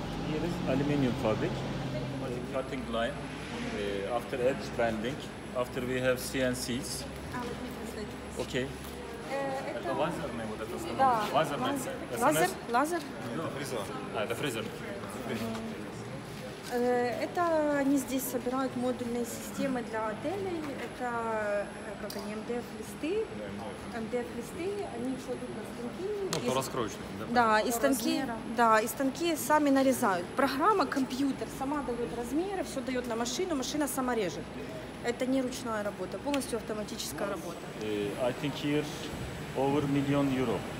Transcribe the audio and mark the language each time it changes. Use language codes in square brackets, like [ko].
[en] Here is aluminium fabric, cutting line. After edge grinding, after we have CNCs. Okay. [ru] Это лазерный вот этот станок? Да. Лазерный? Лазер? Лазер? Это фрезер. А, это фрезер. Это они здесь собирают модульные системы для отелей. Это как они, MDF-листы. MDF-листы, они кладут на станки. Ну, то раскроечные, да? Да, и станки, да, и станки сами нарезают. Программа, компьютер сама дает размеры, все дает на машину, машина сама режет. Это не ручная работа, полностью автоматическая работа. [en] I think here over million euro.